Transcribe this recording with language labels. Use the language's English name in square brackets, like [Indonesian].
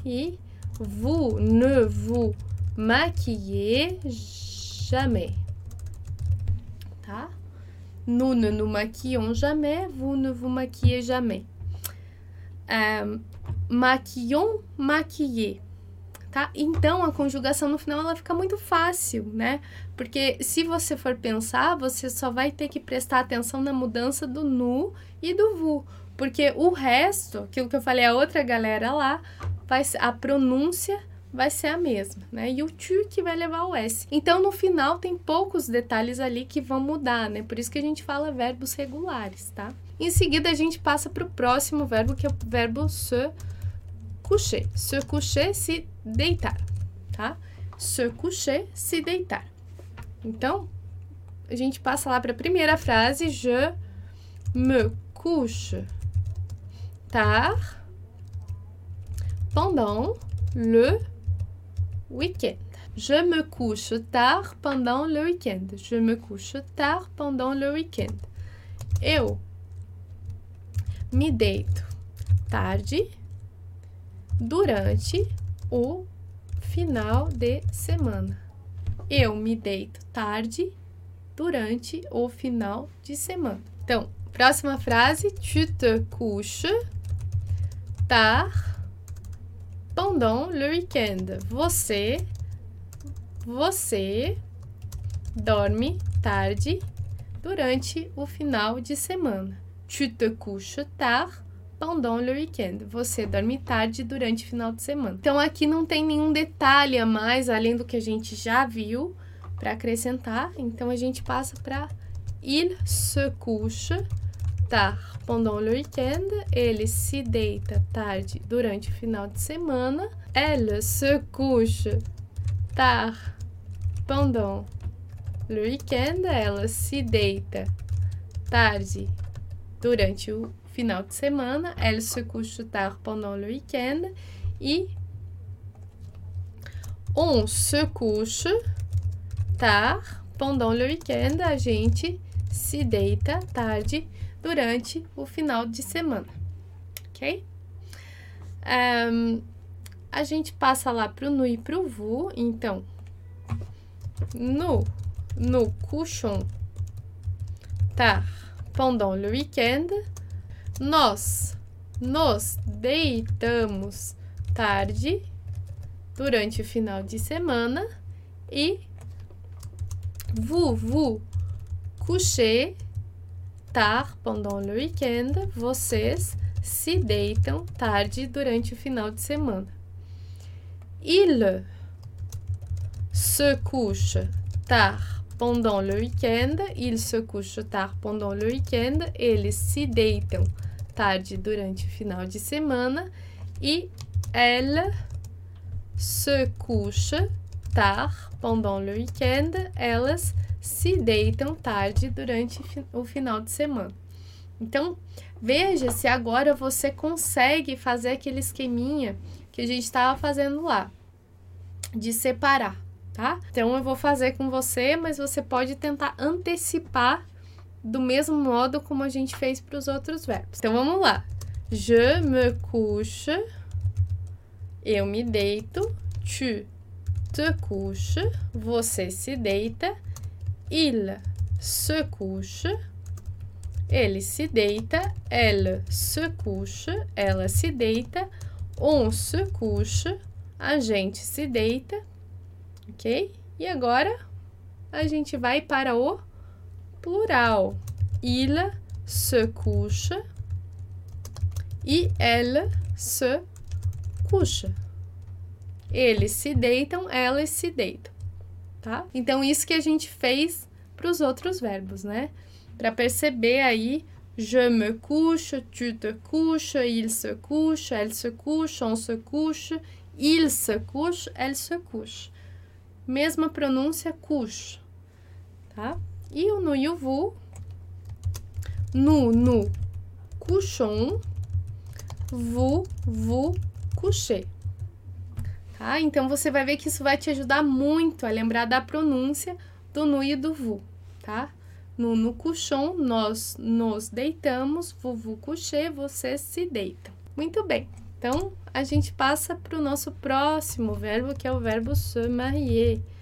[French] E vous, ne, vous, maquillez, jamais. Tá? Nu, ne, nu, maquillon, jamais. Vous, ne, vous, maquillez, jamais. Maquillon, maquillé, tá? [Portuguese] Então, a conjugação no final, ela fica muito fácil, né? Porque se você for pensar, você só vai ter que prestar atenção na mudança do nu e do vu. Porque o resto, aquilo que eu falei a outra galera lá, a pronúncia vai ser a mesma, né? E o tu que vai levar o s. Então, no final, tem poucos detalhes ali que vão mudar, né? Por isso que a gente fala verbos regulares, tá? Em seguida, a gente passa para o próximo verbo, que é o verbo se coucher. Se coucher, se deitar, tá? Se coucher, se deitar. Então, a gente passa lá para a primeira frase. [French] Je me couche tard pendant le week-end. Je me couche tard pendant le week-end. Je me couche tard pendant le week-end. [Portuguese] Eu me deito tarde durante o final de semana. Eu me deito tarde durante o final de semana. Então, próxima frase, [French] tu te couches tard pendant le week-end. [Portuguese] Você dorme tarde durante o final de semana. [French] Tu te couches tard pendant le week-end. [Portuguese] Você dorme tarde durante o final de semana. Então, aqui não tem nenhum detalhe a mais, além do que a gente já viu, para acrescentar. Então, a gente passa para [French] il se couche tard pendant le week-end. [Portuguese] Ele se deita tarde durante o final de semana. [French] Elle se couche tard pendant le week-end. [Portuguese] Ela se deita tarde durante o final de semana. [French] Elle se couche tard pendant le week-end. E on se couche tard pendant le week-end. [Portuguese] A gente se deita tarde durante o final de semana. Ok? A gente passa lá pro nu e pro vu. Então, [French] nous couchons tard pendant le week-end. [Portuguese] Nós deitamos tarde durante o final de semana. [French] E vous couchez tard pendant le week-end. [Portuguese] Vocês se deitam tarde durante o final de semana. [French] Il se couche tard pendant le week-end. Il se couche tard pendant le week-end. [Portuguese] Eles se deitam tarde durante o final de semana. [French] E elle se couche tard pendant le week-end. [Portuguese] Elas se deitam tarde durante o final de semana. Então, veja se agora você consegue fazer aquele esqueminha que a gente estava fazendo lá, de separar, tá? Então, eu vou fazer com você, mas você pode tentar antecipar do mesmo modo como a gente fez para os outros verbos. Então, vamos lá. [French] Je me couche. [Portuguese] Eu me deito. [French] Tu te couche. [Portuguese] Você se deita. [French] Il se couche. [Portuguese] Ele se deita. [French] Elle se couche. [Portuguese] Ela se deita. [French] On se couche. [Portuguese] A gente se deita. Ok? E agora a gente vai para o plural. [French] Il se couche e elle se couche. [Portuguese] Eles se deitam, elas se deitam. Tá? Então, isso que a gente fez para os outros verbos, né? Para perceber aí, [French] je me couche, tu te couche, il se couche, elle se couche, on se couche, il se couche, elle se couche. [Portuguese] Mesma pronúncia, couche. Tá? E o nu e o vu? [French] Nous couchons, vous couchez. [Portuguese] Tá? Então, você vai ver que isso vai te ajudar muito a lembrar da pronúncia do nu e do vu, tá? [French] Nous couchons, [Portuguese] nós nos deitamos, [French] vous couchez, [Portuguese] vocês se deitam. Muito bem, então a gente passa para o nosso próximo verbo, que é o verbo se marier.